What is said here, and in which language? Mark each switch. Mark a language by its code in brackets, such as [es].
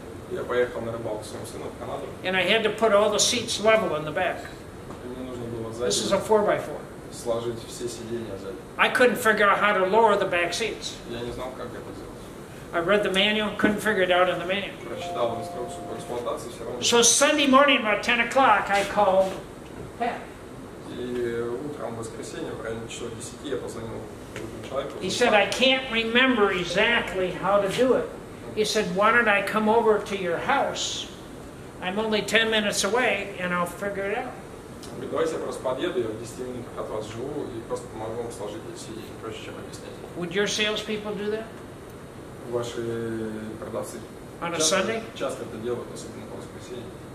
[ru] Я поехал на рыбалку с моим сыном в Канаду. [en] And I had to put all the seats level in the back. [ru] Мне нужно было сзади. [en] This is a 4x4. [ru] Сложить все сиденья сзади. [en] I couldn't figure out how to lower the back seats. [ru] Я не знал, как это сделать. [en] I read the manual, couldn't figure it out in the manual. [ru] Прочитал инструкцию по эксплуатации, все равно. [en] So Sunday morning about 10 o'clock, I called Pat. [ru] И утром воскресенье в районе часов 10 я позвонил. [en] He said, I can't remember exactly how to do it. He said, why don't I come over to your house? I'm only 10 minutes away, and I'll figure it out. [ru] Давайте я просто подъеду, я в 10 минутах от вас живу, и просто помогу вам сложить эти сиденья, проще, чем объяснять. [en] Would your salespeople do that? [ru] Ваши продавцы. [en] On a Sunday? [ru] Часто это делают, особенно по воскресеньям.